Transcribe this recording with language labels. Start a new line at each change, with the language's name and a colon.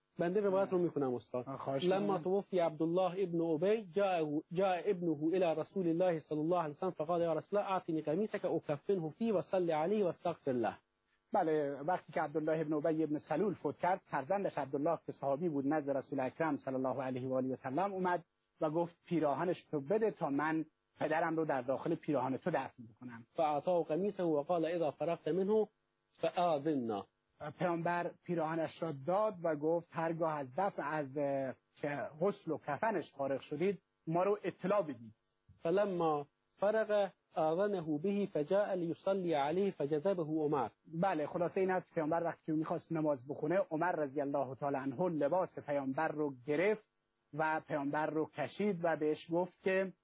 Persian: بنده روایت رو میخونم استاد.
Arabic: لما توفی عبدالله ابن ابی جاء ابنه الى رسول الله صلی الله علیه و سلم فقال یا رسول الله اعطینی قمیصک اکفنه فی و صلی علیه و استغفر الله.
Persian: بله، وقتی که عبدالله ابن ابی ابن سلول فوت کرد، فرزندش عبدالله که صحابی بود نزد رسول اکرم صلی الله علیه و آله و سلم اومد و گفت پیراهنش تو بده تا من پدرم رو در داخل پیراهن تو دفن بکنم.
Arabic: فاعطا قمیصه و قال اذا فرغت منه فاذنا.
Persian: پیامبر پیراهنش را داد و گفت هرگاه از دفن، از که غسل و کفنش فارغ شدید ما رو اطلاع بدید.
Arabic: فلما فرغ آذنه به فجاء ليصلي عليه فجذبه عمر.
Persian: بله، خلاصه این است که پیامبر وقتی میخواست نماز بخونه، عمر رضی الله تعالی عنه لباس پیامبر رو گرفت و پیامبر رو کشید و بهش گفت که